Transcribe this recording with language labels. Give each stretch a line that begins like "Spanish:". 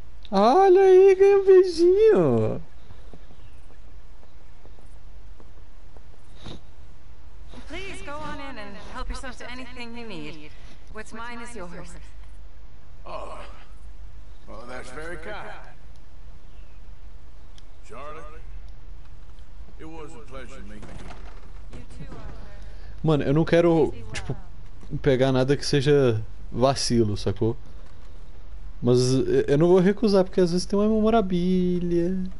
Portuguese: Olha aí, ganhou um beijinho.
English: Please go on in and help yourself to anything you need. What's mine is yours. Oh, well, that's very kind. Charlie, it was a pleasure meeting you.
Portuguese: Mano, eu não quero, tipo, pegar nada que seja vacilo, sacou? Mas eu não vou recusar, porque às vezes tem uma memorabilia.